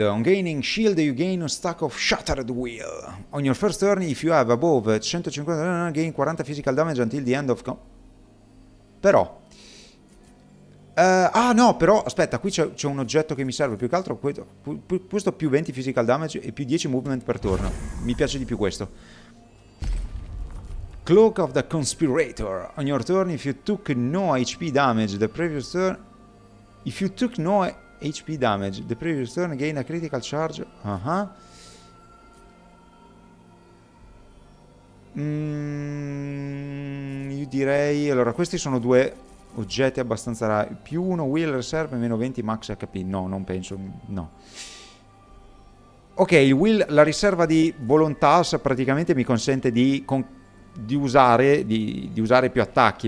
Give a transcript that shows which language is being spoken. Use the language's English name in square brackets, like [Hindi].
[English] On gaining shield, you gain a stack of Shattered Wheel. On your first turn, if you have above 150, gain 40 physical damage until the end of... [Italian] Però... però aspetta, qui c'è un oggetto che mi serve. Più che altro questo più 20 physical damage e più 10 movement per turno. Mi piace di più questo. Cloak of the Conspirator. [English] On your turn, if you took no HP damage the previous turn, if you took no HP damage the previous turn, gain a critical charge. [Italian] Io direi, allora, questi sono due oggetti abbastanza rari. Più 1 wheel reserve, meno 20 max HP. No, non penso. No. Ok, il wheel, la riserva di volontà praticamente mi consente di usare più attacchi.